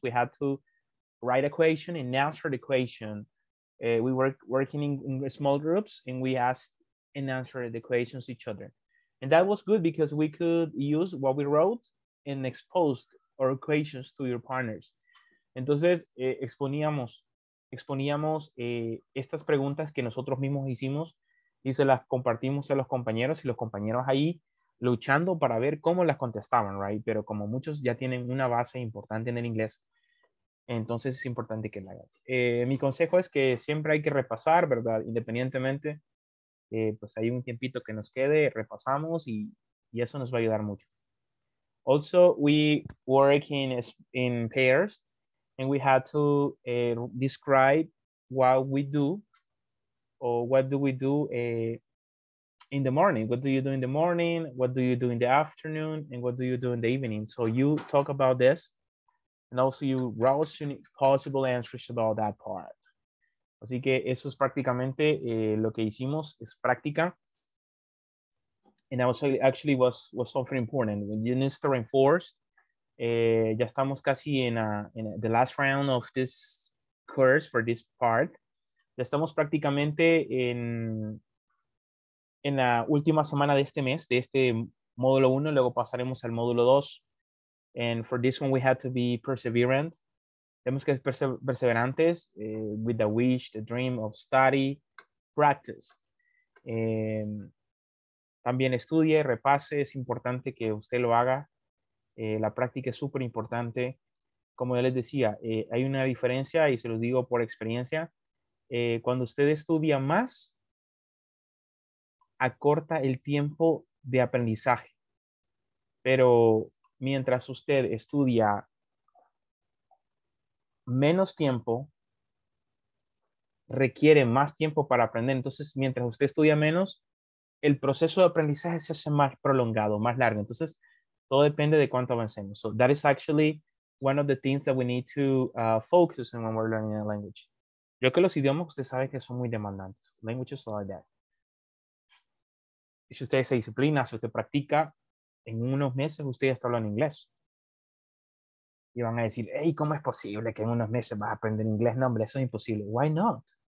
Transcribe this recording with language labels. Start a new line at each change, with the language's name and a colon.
English: We had to write a question and answer the question. We were working in small groups, and we asked and answered the questions to each other. And that was good because we could use what we wrote and exposed our equations to your partners.
Spanish: Entonces, exponíamos estas preguntas que nosotros mismos hicimos y se las compartimos a los compañeros, y los compañeros ahí luchando para ver cómo las contestaban, right? Pero como muchos ya tienen una base importante en el inglés, entonces es importante que la hagan. Mi consejo es que siempre hay que repasar, ¿verdad? Independientemente, pues hay un tiempito que nos quede, repasamos y eso nos va a ayudar mucho.
English: Also, we work in pairs, and we had to describe what we do, or what do we do in the morning. What do you do in the morning? What do you do in the afternoon? And what do you do in the evening? So you talk about this, and also you browse possible answers about that part.
Spanish: Así que eso es prácticamente lo que hicimos, es práctica.
English: And that was actually something important. You need to reinforce.
Spanish: Ya estamos casi en
English: the last round of this course for this part.
Spanish: Ya estamos prácticamente en la última semana de este mes, de este módulo 1, luego pasaremos al módulo 2.
English: And for this one, we had to be perseverant.
Spanish: Tenemos que ser perseverantes
English: with the wish, the dream of study, practice.
Spanish: También estudie, repase, es importante que usted lo haga. La práctica es súper importante. Como ya les decía, hay una diferencia, y se lo digo por experiencia. Cuando usted estudia más, acorta el tiempo de aprendizaje. Pero mientras usted estudia menos tiempo, requiere más tiempo para aprender. Entonces, mientras usted estudia menos, el proceso de aprendizaje se hace más prolongado, más largo. Entonces, todo depende de cuánto avancemos.
English: So that is actually one of the things that we need to focus on when we're learning a language.
Spanish: Yo que los idiomas, usted sabe que son muy demandantes.
English: Languages are like that.
Spanish: Y si usted se disciplina, si usted practica, en unos meses usted ya está hablando inglés. Y van a decir, hey, ¿cómo es posible que en unos meses vas a aprender inglés? No, hombre, eso es imposible.
English: Why not?